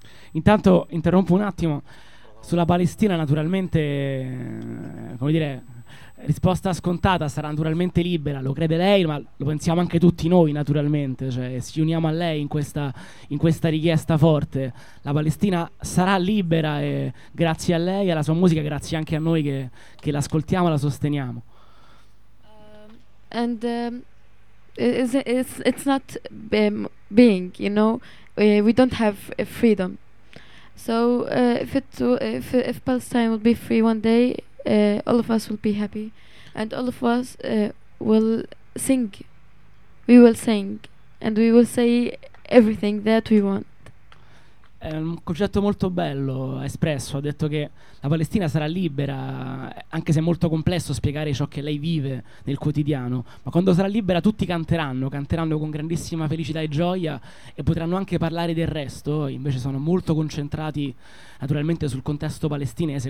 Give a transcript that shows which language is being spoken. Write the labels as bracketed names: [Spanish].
[Italian] intanto interrompo un attimo sulla Palestina, naturalmente, come dire, risposta scontata, sarà naturalmente libera, lo crede lei, ma lo pensiamo anche tutti noi, naturalmente, cioè ci uniamo a lei in questa richiesta forte. La Palestina sarà libera, e grazie a lei e alla sua musica, grazie anche a noi che l'ascoltiamo e la sosteniamo. [English] And it's not being, you know, we don't have freedom. So if Palestine will be free one day, all of us will be happy, and all of us will sing. We will sing, and we will say everything that we want. [Italian] È un concetto molto bello espresso. Ha detto che la Palestina sarà libera, anche se è molto complesso spiegare ciò che lei vive nel quotidiano, ma quando sarà libera tutti canteranno con grandissima felicità e gioia, e potranno anche parlare del resto. Invece sono molto concentrati naturalmente sul contesto palestinese.